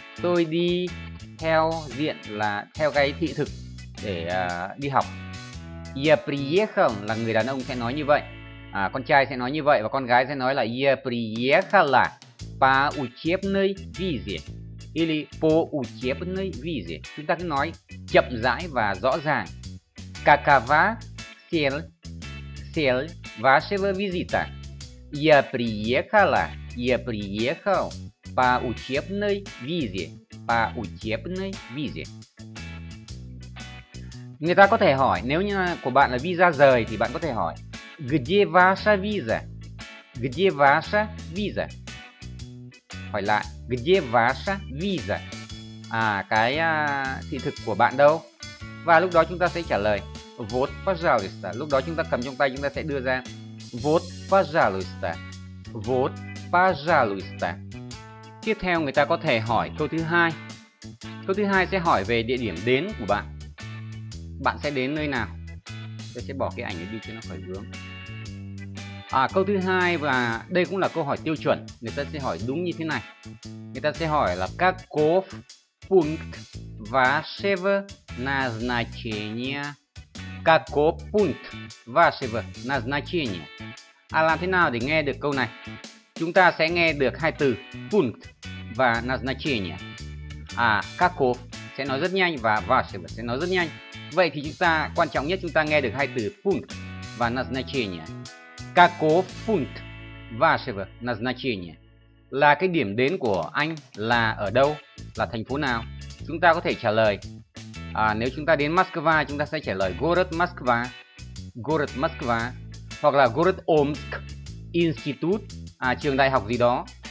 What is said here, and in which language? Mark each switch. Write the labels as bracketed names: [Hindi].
[Vietnamese] Tôi đi theo diện là theo cái thị thực để đi học. [Russian] Я приехал [Vietnamese] là người đàn ông sẽ nói như vậy. À, con trai sẽ nói như vậy và con gái sẽ nói là [Russian] я приехала по учебной визе. Или по учебной визе. [Vietnamese] Chúng ta cứ nói chậm rãi và rõ ràng. [Russian] Какова цель вашего визита? Я приехала, я приехал по учебной визе. по учебной визе. [Vietnamese] Người ta có thể hỏi, nếu như của bạn là visa rời thì bạn có thể hỏi [Russian] где ваша виза? Где ваша виза? [Vietnamese] Hỏi lại [Russian] где ваша виза? [Vietnamese] À, cái thị thực của bạn đâu? Và lúc đó chúng ta sẽ trả lời [Russian] вот, пожалуйста. [Vietnamese] Lúc đó chúng ta cầm trong tay, chúng ta sẽ đưa ra [Russian] вот, пожалуйста. Вот, пожалуйста. [Vietnamese] Tiếp theo người ta có thể hỏi câu thứ hai. Câu thứ hai sẽ hỏi về địa điểm đến của bạn. Bạn sẽ đến nơi nào? Tôi sẽ bỏ cái ảnh đi cho nó khỏi vướng. À, câu thứ hai, và đây cũng là câu hỏi tiêu chuẩn, người ta sẽ hỏi đúng như thế này. Người ta sẽ hỏi là [Russian] каков пункт вашего назначения? Каков пункт вашего назначения? [Vietnamese] À, làm thế nào để nghe được câu này? Chúng ta sẽ nghe được hai từ пункт và назначение. À, каков sẽ nói rất nhanh và вашего sẽ nói rất nhanh. Vậy thì chúng ta, quan trọng nhất chúng ta nghe được hai từ пункт và назначение. [Russian] Каков пункт вашего назначения? [Vietnamese] Là cái điểm đến của anh là ở đâu? Là thành phố nào? Chúng ta có thể trả lời, à, nếu chúng ta đến Moscow, chúng ta sẽ trả lời [Russian] город Москва. Город Москва. [Vietnamese] Hoặc là [Russian] город Омск институт, [Vietnamese] à, trường đại học gì đó.